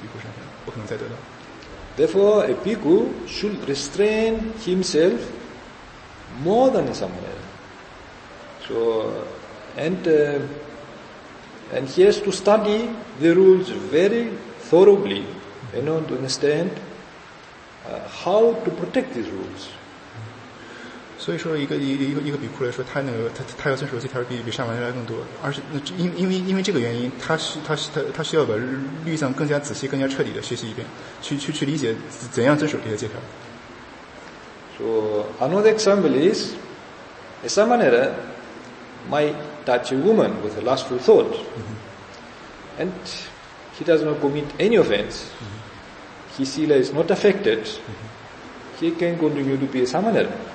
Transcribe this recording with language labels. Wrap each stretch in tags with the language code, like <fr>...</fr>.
<zh>这里面就是上马尼拉和这个比库之间这个界限，这叫差别，可以举一个例子说明。比如说，上马尼拉来讲，他偷了一件很值钱的东西，犯了上马尼拉巴拉基冈。那么，但是他可以通过重新受戒，重新获得上马尼拉身份。但是对于一个比库来说，如果他犯了这样，如果他也是偷了一件很有价值的东西，犯了巴拉基冈的话，他就永远失去自己的比库身份，不可能再得到。Therefore,</zh> <en>a bhikkhu should restrain himself more than a samanera. So. And he has to study the rules very thoroughly, in order to understand how to protect these rules.</en> <zh>所以说，一个比库来说，他要遵守这条比上马尼拉更多，而且因为这个原因，他需要把律藏更加仔细、更加彻底的学习一遍，去理解怎样遵守这些戒条。So</zh> <en>another example is, in some manner, might touch a woman with a lustful thought, and he does not commit any offense, his sila is not affected, he can continue to be a samanera.</en>